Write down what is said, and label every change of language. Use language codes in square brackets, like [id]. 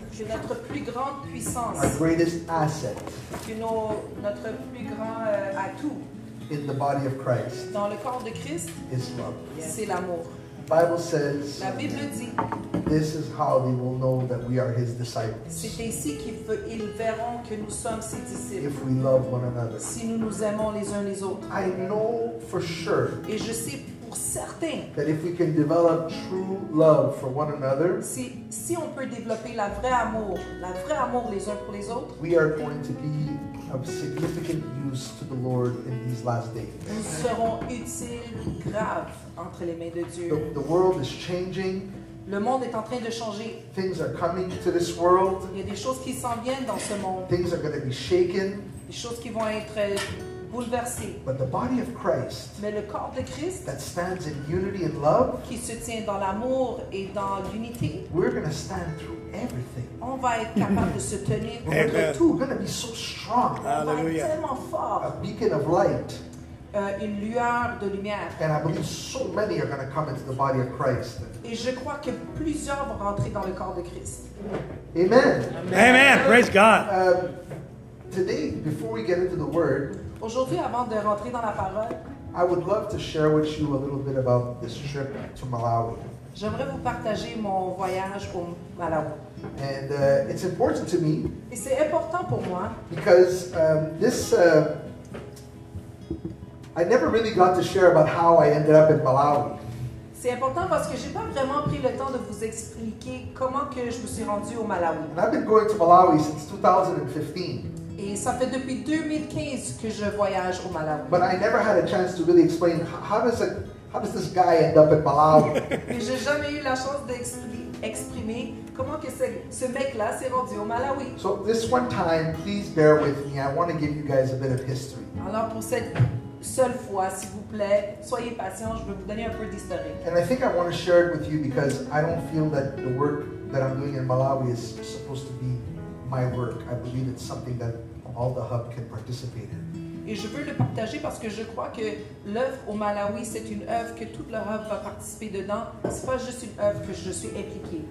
[fr] Que notre plus grande puissance. [en] Our greatest asset. [fr] Que notre plus grand atout. [en] In the body of Christ. [fr] Dans le corps de Christ. [en] Is love. [fr] Yes. C'est l'amour. [en] Bible says. [fr] La Bible dit. [en] This is how they will know that we are his disciples. [fr] C'est ainsi qu'ils verront que nous sommes ses disciples. [en] If we love one another. [fr] Si nous nous aimons les uns les autres. [en] I know for sure. [fr] Et je sais pour certain. [en] That if we can develop true love for one another. [fr] Si on peut développer la vraie amour les uns pour les autres. [en] We are going to be of significant use to the Lord in these last days. [fr] Nous serons utiles graves entre les mains de Dieu. [en] The world is changing. [fr] Le monde est en train de changer. [en] Things are coming to this world. [fr] Il y a des choses qui s'en viennent dans ce monde. [en] Things are going to be shaken. [fr] Des choses qui vont être bouleversées. [en] But the body of Christ, [fr] mais le corps de Christ, [en] that stands in unity and love, [fr] qui se tient dans l'amour et dans l'unité, [en] we're going to stand through everything. [fr] On va être capable de se tenir contre tout. [en] We're going to be so strong. [fr] Hallelujah. On va être tellement fort. [en] A beacon of light. [fr] Une lueur de lumière. [en] And I believe so many are going to come into the body of Christ. [fr] Et je crois que plusieurs vont rentrer dans le corps de Christ. [en] Amen. Amen. Amen. Praise God. Today, before we get into the word, [fr] aujourd'hui, avant de rentrer dans la parole, [en] I would love to share with you a little bit about this trip to Malawi. [fr] J'aimerais vous partager mon voyage au Malawi. [en] And it's important to me. [fr] Et c'est important pour moi. [en] Because I never really got to share about how I ended up in Malawi. [fr] C'est important parce que j'ai pas vraiment pris le temps de vous expliquer comment que je me suis rendu au Malawi. [en] And I've been going to Malawi since 2015. [fr] Et ça fait depuis 2015 que je voyage au Malawi. [en] But I never had a chance to really explain how does this guy end up in Malawi? [fr] Et j'ai jamais eu la chance d'exprimer comment que ce mec-là s'est rendu au Malawi. [en] So this one time, please bear with me. I want to give you guys a bit of history. [fr] Alors pour cette seule fois, s'il vous plaît, soyez patient, je vais vous donner un peu d'historique. [en] And I think I want to share it with you because I don't feel that the work that I'm doing in Malawi is supposed to be my work. I believe it's something that all the hub can participate in. [fr] Et je veux le partager parce que je crois que l'œuvre au Malawi, c'est une œuvre que toute le hub va participer dedans. C'est pas juste une œuvre que je suis impliquée.